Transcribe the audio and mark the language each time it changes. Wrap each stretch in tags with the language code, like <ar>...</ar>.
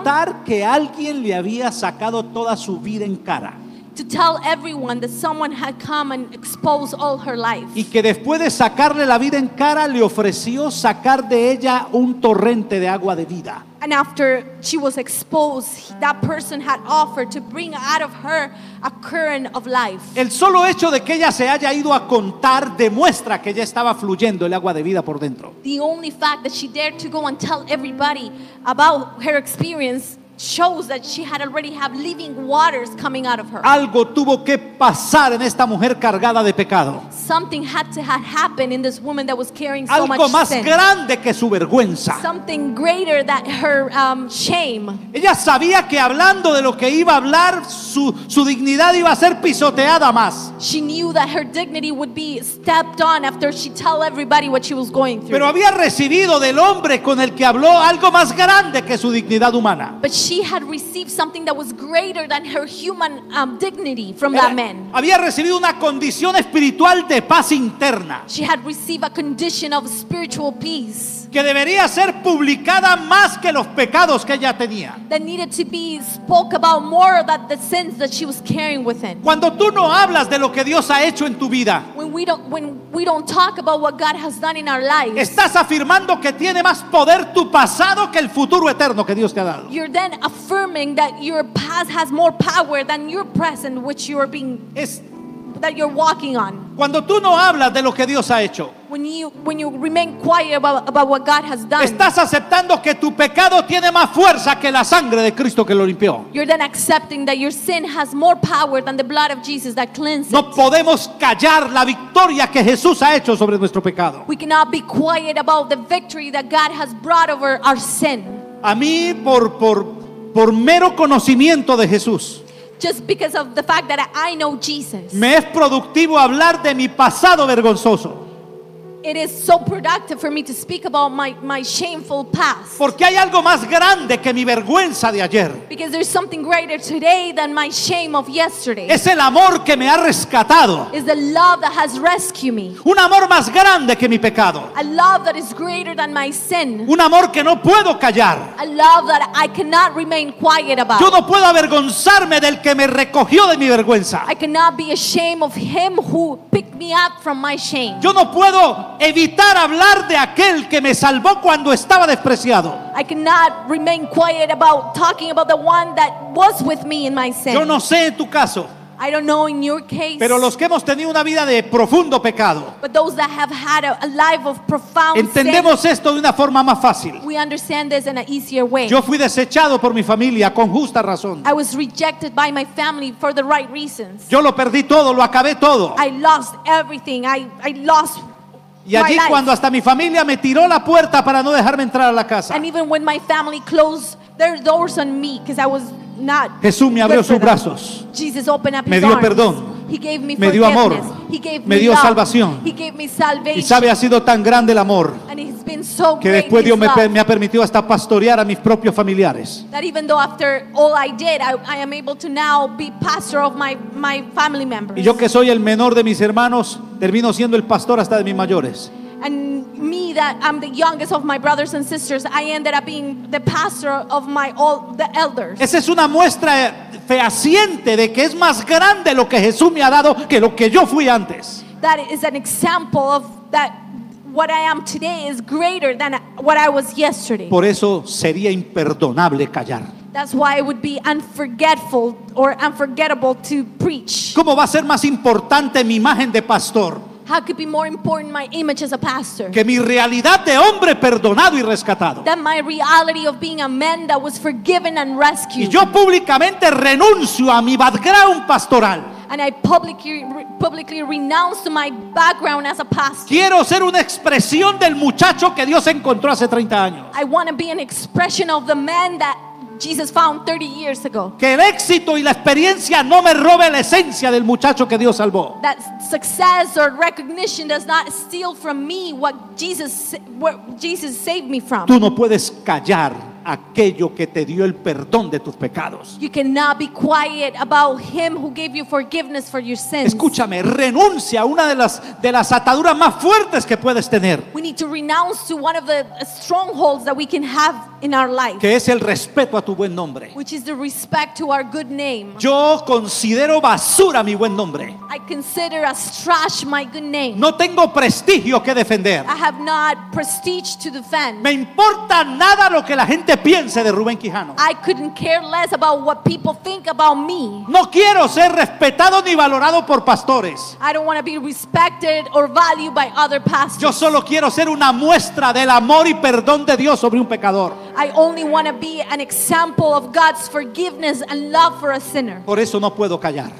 <es>A contar que alguien le había sacado toda su vida en cara.</es> <en>To tell everyone that someone had come and exposed all her life.</en> <es>Y que después de sacarle la vida en cara, le ofreció sacar de ella un torrente de agua de vida.</es> <en>And after she was exposed, that person had offered to bring out of her a current of life.</en> <es>El solo hecho de que ella se haya ido a contar demuestra que ya estaba fluyendo el agua de vida por dentro.</es> <en>The only fact that she dared to go and tell everybody about her experience shows that she had already have living waters coming out of her.</en> <es>Algo tuvo que pasar en esta mujer cargada de pecado.</es> <en>Something had to have happened in this woman that was carrying so much sin.</en> <es>Algo más grande que su vergüenza.</es> <en>Something greater than her shame.</en> <es>Ella sabía que hablando de lo que iba a hablar, su dignidad iba a ser pisoteada más.</es> <en>She knew that her dignity would be stepped on after she tell everybody what she was going through.</en> <es>Pero había recibido del hombre con el que habló algo más grande que su dignidad humana.</es> <en>She had received something that was greater than her human dignity from that man.</en> <es>Había recibido una condición espiritual de paz interna.</es> <en>She had received a condition of spiritual peace.</en> <es>que debería ser publicada más que los pecados que ella tenía.</es> <en>That needed to be spoke about more than the sins that she was carrying within.</en> <es>Cuando tú no hablas de lo que Dios ha hecho en tu vida,</es> <en>when we don't talk about what God has done in our lives,</en> <es>estás afirmando que tiene más poder tu pasado que el futuro eterno que Dios te ha dado.</es> <en>You're then affirming that your past has more power than your present, which you are being that you're walking on.</en> <es>Cuando tú no hablas de lo que Dios ha hecho,</es> <en>when you remain quiet about what God has done,</en> <es>estás aceptando que tu pecado tiene más fuerza que la sangre de Cristo que lo limpió.</es> <en>You're then accepting that your sin has more power than the blood of Jesus that cleansed it.</en> <es>No podemos callar la victoria que Jesús ha hecho sobre nuestro pecado.</es> <en>We cannot be quiet about the victory that God has brought over our sin.</en> <es>A mí por mero conocimiento de Jesús,</es> <en>just because of the fact that I know Jesus,</en> <es>me es productivo hablar de mi pasado vergonzoso.</es> <en>It is so productive for me to speak about my shameful past.</en> <es>Porque hay algo más grande que mi vergüenza de ayer.</es> <en>Because there's something greater today than my shame of yesterday.</en> <es>Es el amor que me ha rescatado.</es> <en>Is the love that has rescued me.</en> <es>Un amor más grande que mi pecado.</es> <en>A love that is greater than my sin.</en> <es>Un amor que no puedo callar.</es> <en>A love that I cannot remain quiet about.</en> <es>Yo no puedo avergonzarme del que me recogió de mi vergüenza.</es> <en>I cannot be ashamed of him who picked me up from my shame.</en> <es>Yo no puedo evitar hablar de aquel que me salvó cuando estaba despreciado.</es> <en>I cannot remain quiet about talking about the one that was with me in my sin.</en> <es>Yo no sé en tu caso.</es> <en>I don't know in your case.</en> <es>Pero los que hemos tenido una vida de profundo pecado,</es> <en>but those that have had a life of profound sin,</en> <es>entendemos esto de una forma más fácil.</es> <en>We understand this in an easier way.</en> <es>Yo fui desechado por mi familia con justa razón.</es> <en>I was rejected by my family for the right reasons.</en> <es>Yo lo perdí todo, lo acabé todo.</es> <en>I lost everything. I lost.</en> <es>Y allí cuando hasta mi familia me tiró la puerta para no dejarme entrar a la casa,</es> <en>and even when my family closed their doors on me because I was not,</en> <es>Jesús me abrió sus brazos,</es> <en>Jesus opened up</en> <es>me</es> <en>his</en> <es>dio</es> <en>arms.</en> <es>Perdón,</es> <en>he gave me,</en> <es>me dio amor,</es> <en>he gave</en> <es>me dio</es> <en>love.</en> <es>Salvación,</es> <en>he gave me salvation.</en> <es>Y sabe, ha sido tan grande el amor,</es> <en>and it's been so great,</en> <es>que después Dios me ha permitido hasta pastorear a mis propios familiares,</es> <en>that even though after all I did, I am able to now be pastor of my family members.</en> <es>Y yo que soy el menor de mis hermanos, termino siendo el pastor hasta de mis mayores.</es> <en>And me, that I'm the youngest of my brothers and sisters, I ended up being the pastor of the elders.</en> <es>Esa es una muestra fehaciente de que es más grande lo que Jesús me ha dado que lo que yo fui antes.</es> <en>That is an example of that what I am today is greater than what I was yesterday.</en> <es>Por eso sería imperdonable callar.</es> <en>That's why it would be unforgetful or unforgettable to preach.</en> <es>¿Cómo va a ser más importante mi imagen de pastor?</es> <en>How could be more important my image as a pastor?</en> <es>Que mi realidad de hombre perdonado y rescatado.</es> <en>That my reality of being a man that was forgiven and rescued.</en> <es>Y yo públicamente renuncio a mi background pastoral.</es> <en>And I publicly renounce my background as a pastor.</en> <es>Quiero ser una expresión del muchacho que Dios encontró hace 30 años.</es> <en>I want to be an expression of the man that Jesus found 30 years ago.</en> <es>Que el éxito y la experiencia no me robe la esencia del muchacho que Dios salvó.</es> <en>That success or recognition does not steal from me what Jesus saved me from.</en> <es>Tú no puedes callar aquello que te dio el perdón de tus pecados.</es> <en>You cannot be quiet about him who gave you forgiveness for your sins.</en> <es>Escúchame, renuncia a una de las ataduras más fuertes que puedes tener.</es> <en>We need to renounce to one of the strongholds that we can have in our life.</en> <es>Que es el respeto a tu buen nombre.</es> <en>Which is the respect to our good name.</en> <es>Yo considero basura mi buen nombre.</es> <en>I consider as trash my good name.</en> <es>No tengo prestigio que defender.</es> <en>I have not prestige to defend.</en> <es>Me importa nada lo que la gente piense de Rubén Quijano.</es> <en>I couldn't care less about what people think about me.</en> <es>No quiero ser respetado ni valorado por pastores.</es> <en>I don't want to be respected or valued by other pastors.</en> <es>Yo solo quiero ser una muestra del amor y perdón de Dios sobre un pecador.</es> <en>I only want to be an example of God's forgiveness and love for a sinner.</en> <es>Por eso no puedo callar.</es>